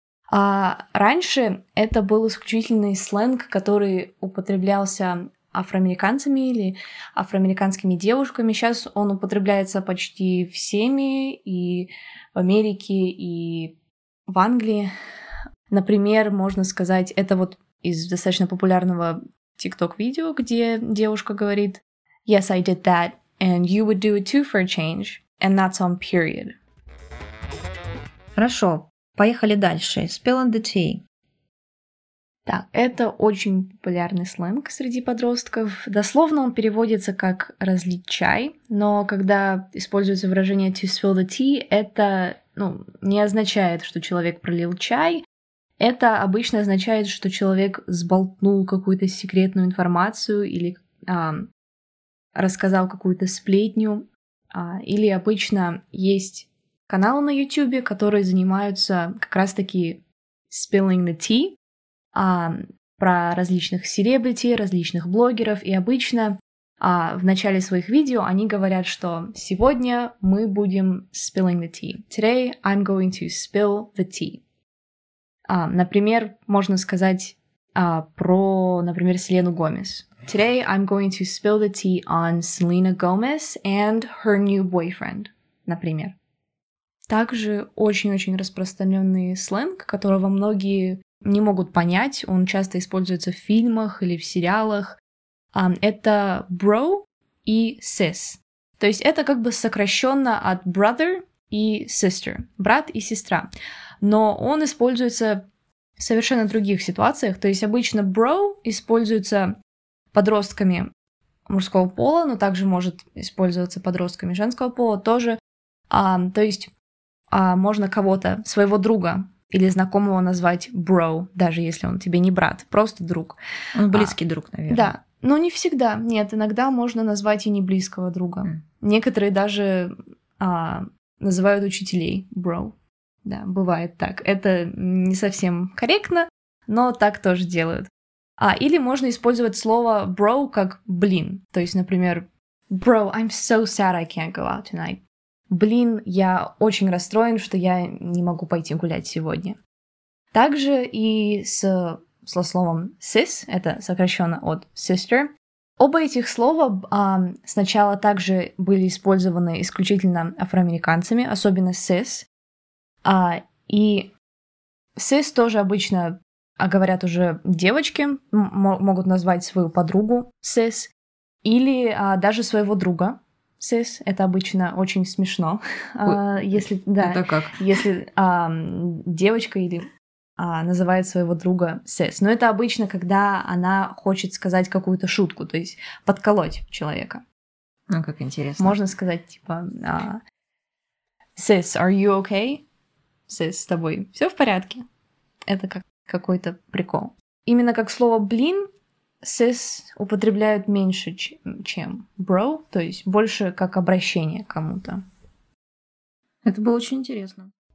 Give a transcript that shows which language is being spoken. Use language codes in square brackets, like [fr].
[ru] А раньше это был исключительный сленг, который употреблялся афроамериканцами или афроамериканскими девушками. Сейчас он употребляется почти всеми и в Америке, и в Англии. Например, можно сказать, это вот из достаточно популярного TikTok-видео, где девушка говорит [en] «Yes, I did that, and you would do it too for a change». And that's on period. [ru] Хорошо, поехали дальше. [en] Spill on the tea. [ru] Так, это очень популярный сленг среди подростков. Дословно он переводится как «разлить чай», но когда используется выражение [en] «to spill the tea», [ru] это, ну, не означает, что человек пролил чай. Это обычно означает, что человек сболтнул какую-то секретную информацию или рассказал какую-то сплетню. Или обычно есть каналы на YouTube, которые занимаются как раз-таки [en] spilling the tea [ru] про различных celebrity, различных блогеров. И обычно в начале своих видео они говорят, что сегодня мы будем [en] spilling the tea. Today I'm going to spill the tea. [ru] Например, можно сказать про, например, Селену Гомес. [en] Today I'm going to spill the tea on Selena Gomez and her new boyfriend, [ru] например. Также очень-очень распространенный сленг, которого многие не могут понять. Он часто используется в фильмах или в сериалах. Это bro и sis. То есть это как бы сокращенно от brother и sister. Брат и сестра. Но он используется в совершенно других ситуациях. То есть обычно bro используется подростками мужского пола, но также может использоваться подростками женского пола тоже. То есть можно кого-то, своего друга или знакомого назвать bro, даже если он тебе не брат, просто друг. Он близкий друг, наверное. Да, но не всегда. Нет, иногда можно назвать и не близкого друга. Некоторые даже называют учителей bro. Да, бывает так. Это не совсем корректно, но так тоже делают. Или можно использовать слово bro как блин. То есть, например, [en] bro, I'm so sad I can't go out tonight. [ru] Блин, я очень расстроен, что я не могу пойти гулять сегодня. Также и со словом sis, это сокращенно от sister. Оба этих слова сначала также были использованы исключительно афроамериканцами, особенно sis. И sis тоже обычно... А говорят уже девочки, могут назвать свою подругу sis, или даже своего друга sis. Это обычно очень смешно. Если, да, это как? Если девочка или называет своего друга sis. Но это обычно, когда она хочет сказать какую-то шутку, то есть подколоть человека. Ну, как интересно. Можно сказать, типа, [en] sis, are you okay? [ru] Sis, с тобой все в порядке? Это как? Какой-то прикол. Именно как слово «блин» sis употребляют меньше, чем «bro», то есть больше как обращение к кому-то. Это было очень интересно.